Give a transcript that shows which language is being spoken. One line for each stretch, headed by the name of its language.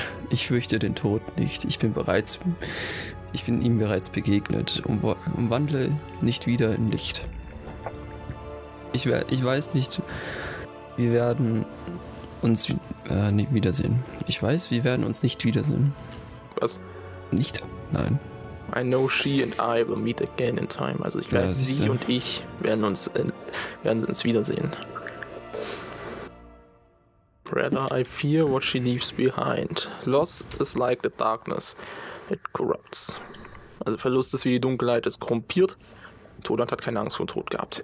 German: Ich fürchte den Tod nicht. Ich bin ihm bereits begegnet und wandle nicht wieder in Licht. Ich weiß nicht, wir werden uns nicht wiedersehen. Ich weiß, wir werden uns nicht wiedersehen. Was? Nicht, nein.
English: I know she and I will meet again in time.
German: Also ich weiß, sie und ich werden uns wiedersehen.
English: Brother, I fear what she leaves behind. Loss is like the darkness. It corrupts.
German: Also Verlust ist wie die Dunkelheit, es korrumpiert. Todant hat keine Angst vor dem Tod gehabt.